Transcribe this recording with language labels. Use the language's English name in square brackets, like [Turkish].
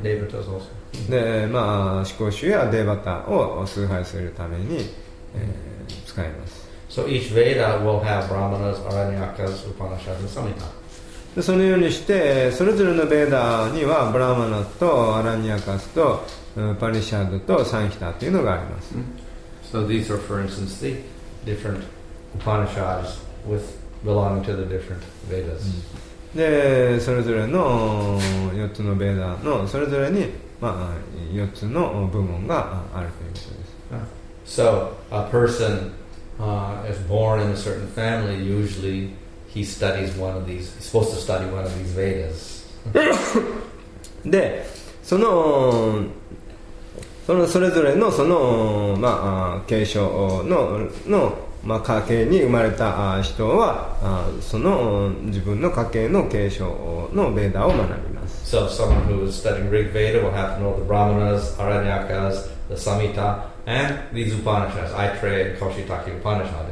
[Japanese] デバタ、まあ、思考主やデバタを崇拝するために、使います。 [English] So each Veda will have Brahmanas, Aranyakas, Upanishads and Samhita. [Japanese] でそのようにしてそれぞれのベーダーにはブラマナとアラニアカスとパリシャードとサンヒタというのがあります。 [English] So these are for instance the different Upanishads with belonging to the different Vedas、 [Japanese] で、それぞれの4つのベーダーのそれぞれに、まあ、4つの部門があるということです。 [English] So a person is born in a certain family, usually he studies one of these, he's supposed to study one of these Vedas. [Japanese] で、その、それぞれのその、まあ、継承の、まあ、家系に生まれた人はその自分の家系の継承のベーダーを学びます。 [English] So someone who is studying Rig Veda will have to know the Brahmanas, Aranyakas, the Samhita and these Upanishads, Aitreya and Kaushitaki Upanishad.